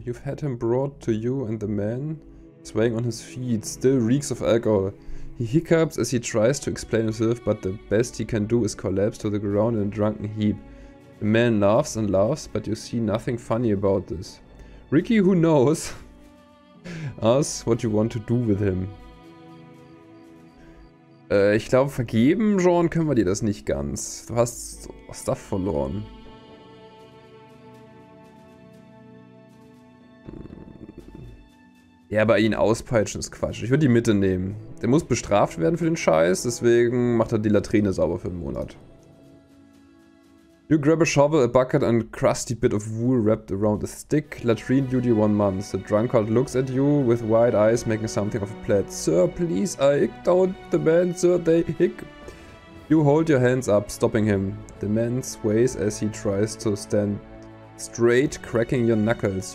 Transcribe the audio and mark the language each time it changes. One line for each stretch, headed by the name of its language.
English: You've had him brought to you and the man swaying on his feet still reeks of alcohol. He hiccups as he tries to explain himself, but the best he can do is collapse to the ground in a drunken heap. The man laughs and laughs, but you see nothing funny about this. Ricky, who knows, asks what you want to do with him.
German: Ich glaube, vergeben, John, können wir dir das nicht ganz. Du hast Stuff verloren. Ja, aber ihn auspeitschen ist Quatsch. Ich würde die Mitte nehmen. Der muss bestraft werden für den Scheiß, deswegen macht er die Latrine sauber für einen Monat.
English: You grab a shovel, a bucket and a crusty bit of wool wrapped around a stick. Latrine duty 1 month. The drunkard looks at you with wide eyes, making something of a pledge. Sir, please, I hick down the man, sir, they hick. You hold your hands up, stopping him. The man sways as he tries to stand straight, cracking your knuckles.